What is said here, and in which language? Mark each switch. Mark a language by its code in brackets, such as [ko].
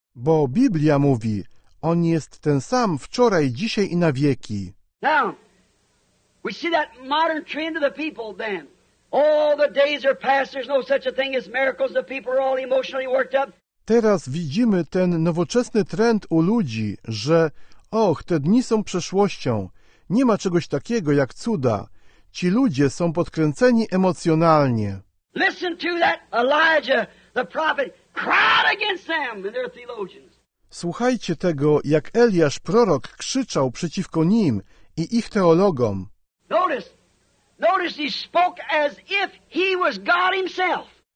[pl] Bo Biblia mówi, on jest ten sam wczoraj, dzisiaj i na wieki. [en] Now, we see that modern trend of the people then. All the days are past, there's no such a thing as miracles, the people are all emotionally worked up. [pl] Teraz widzimy ten nowoczesny trend u ludzi, że och, te dni są przeszłością, nie ma czegoś takiego jak cuda. Ci ludzie są podkręceni emocjonalnie. [en] Listen to that Elijah, the prophet, cried against them and their theologians. [pl] Słuchajcie tego, jak Eliasz, prorok, krzyczał przeciwko nim i ich teologom. [en] Notice he spoke as if he was God himself.